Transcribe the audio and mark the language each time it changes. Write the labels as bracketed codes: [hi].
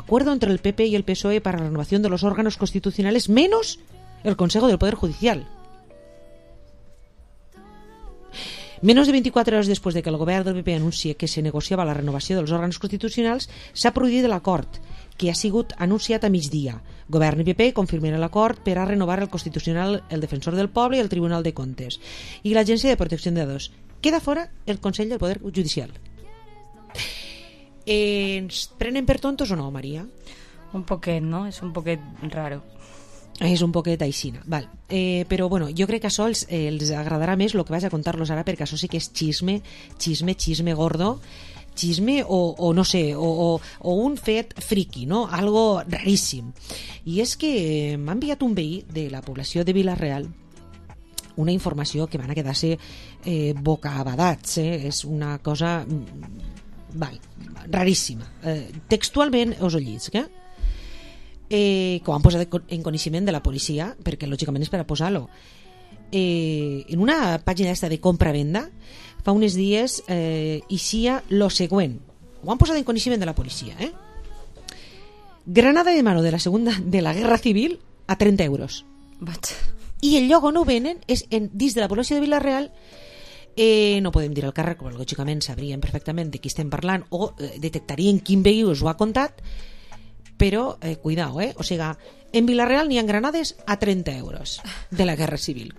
[es] Acuerdo entre el PP i el PSOE para la renovación de los órganos constitucionales menos el Consejo del Poder Judicial. [ca] Menos de 24 hores després de que el govern del PP anuncie que se negociava la renovació dels òrgans constitucionals, s'ha produït l'acord, que ha sigut anunciat a migdia. Govern i PP confirmen l'acord per a renovar el Constitucional, el Defensor del Poble i el Tribunal de Comptes i l'Agència de Protecció de Dades. Queda fora el Consell del Poder Judicial. ¿Ens prenen per tontos o no, Maria? Un poquet, ¿no? És un poquet raro. És un poquet aixina, val. Però bueno, jo crec que això els agradarà més el que vaig a contar-los ara, perquè això sí que és xisme, xisme, xisme gordo, xisme o no sé, o un fet friki, no? Algo raríssim. I és que m'ha enviat un veí de la població de Vila-real una informació que van a quedar-se bocabadats, eh? És una cosa... Val, raríssima. Textualment us ho llig, que ho han posat en coneixement de la policia, perquè lògicament és per a posar-lo. En una pàgina aquesta de compra-venda, fa uns dies eixia lo següent. Ho han posat en coneixement de la policia, eh? [es] Granada de mano de la segunda de la Guerra Civil a 30 euros. [ca] Vaig. I el lloc on ho venen és dins de la població de Vila-real. No podem dir el càrrec, però lògicament sabríem perfectament de qui estem parlant o detectarien quin veí us ho ha contat, però cuidao, eh? O sigui, en Vila-real n'hi ha granades a 30 euros de la Guerra Civil.